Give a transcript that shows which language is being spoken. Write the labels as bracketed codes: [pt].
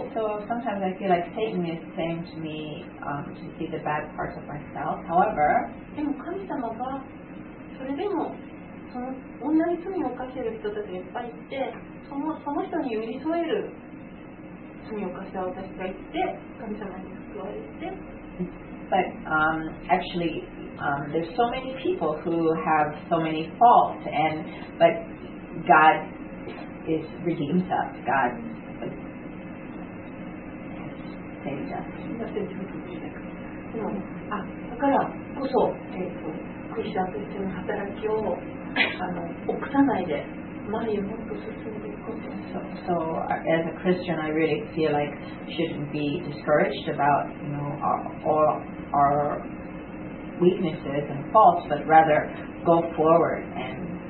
[en] So sometimes I feel like Satan is saying to me to see the bad parts of myself. However, [ja] でも神様がそれでもその同じ罪を犯している人たちがいっぱいいて、その人に寄り添える罪を犯した私がいて、神様に救われて、 [en] But actually there's so many people who have so many faults and but GodIs redeems us. God saved us. [ja] だからこそ、クリスチャンとしての働きを臆さないで、前にもっと進んでいこうと。 [en] So as a Christian, I really feel like shouldn't be discouraged about our weaknesses and faults, but rather go forward and.